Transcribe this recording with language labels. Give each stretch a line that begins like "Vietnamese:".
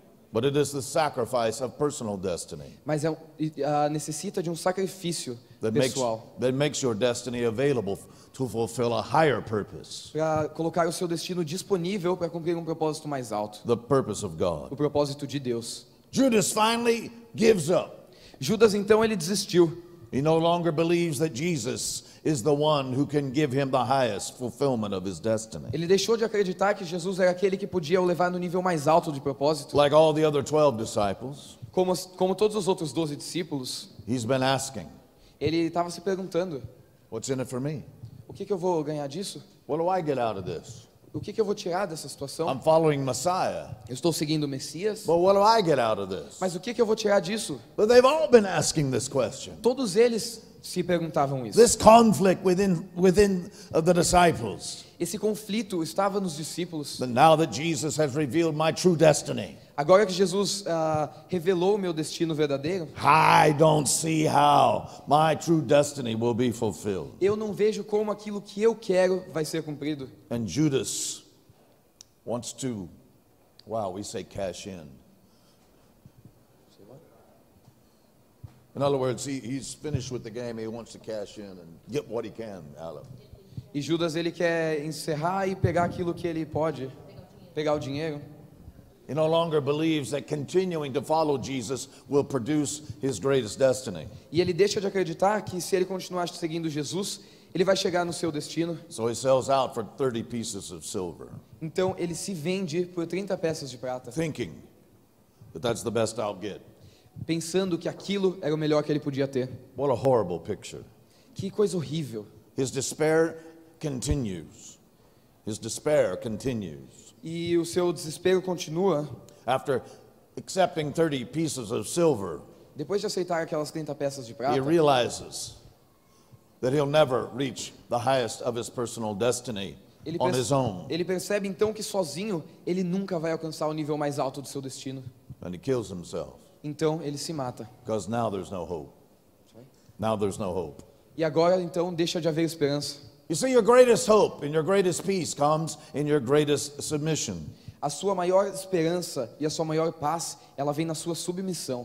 English: But it is the sacrifice of personal destiny.
Portuguese: Mas é necessita de sacrifício pessoal.
English: That makes your destiny available to fulfill a higher purpose.
Portuguese: Para colocar o seu destino disponível para cumprir propósito mais alto.
English: The purpose of God.
Portuguese: O propósito de Deus.
English: Judas finally gives up.
Portuguese: Judas então ele desistiu.
English: He no longer believes that Jesus is the one who can give him the highest fulfillment of his destiny.
Portuguese: Ele deixou de acreditar que Jesus era aquele que podia o levar no nível mais alto de propósito.
English: Like all the other 12 disciples,
Portuguese: como todos os outros 12 discípulos,
English: he's been asking.
Portuguese: Ele estava se perguntando,
English: what's in it for me?
Portuguese: O que eu vou ganhar disso?
English: What do I get out of this?
Portuguese: O que eu vou tirar dessa situação?
English: I'm following Messiah.
Portuguese: Eu estou seguindo o Messias.
English: But what do I get out of this?
Portuguese: Mas o que eu vou tirar disso?
English: But they've all been asking this question.
Portuguese: Todos eles se perguntavam isso.
English: This conflict within the disciples.
Portuguese: Esse conflito estava nos discípulos.
English: But now that Jesus has revealed my true destiny.
Portuguese: Agora que Jesus revelou o meu destino verdadeiro.
English: I don't see how my true destiny will be fulfilled.
Portuguese: Eu não vejo como aquilo que eu quero vai ser cumprido.
English: And Judas wants to, wow, we say cash in. In other words, he's finished with the game. He wants to cash in and get what he can, Alan.
Portuguese: E Judas ele quer encerrar e pegar aquilo que ele pode, pegar o dinheiro.
English: He no longer believes that continuing to follow Jesus will produce his greatest destiny.
Portuguese: E ele deixa de acreditar que se ele continuar seguindo Jesus, ele vai chegar no seu destino.
English: So he sells out for 30 pieces of silver.
Portuguese: Então ele se vende por 30 peças de prata.
English: Thinking that that's the best I'll get.
Portuguese: Pensando que aquilo era o melhor que ele podia ter.
English: What a horrible picture.
Portuguese: Que coisa horrível.
English: His despair continues. His despair continues.
Portuguese: E o seu desespero continua.
English: After accepting 30 pieces of silver,
Portuguese: depois de aceitar aquelas 30 peças de prata,
English: he realizes that he'll never reach the highest of his personal destiny on his own.
Portuguese: Ele percebe então que sozinho ele nunca vai alcançar o nível mais alto do seu destino.
English: And he kills himself.
Portuguese: Então ele se mata.
English: Because now there's no hope. Now there's no hope.
Portuguese: E agora então deixa de haver esperança.
English: You see, your greatest hope and your greatest peace comes in your greatest submission.
Portuguese: A sua maior esperança e a sua maior paz, ela vem na sua submissão.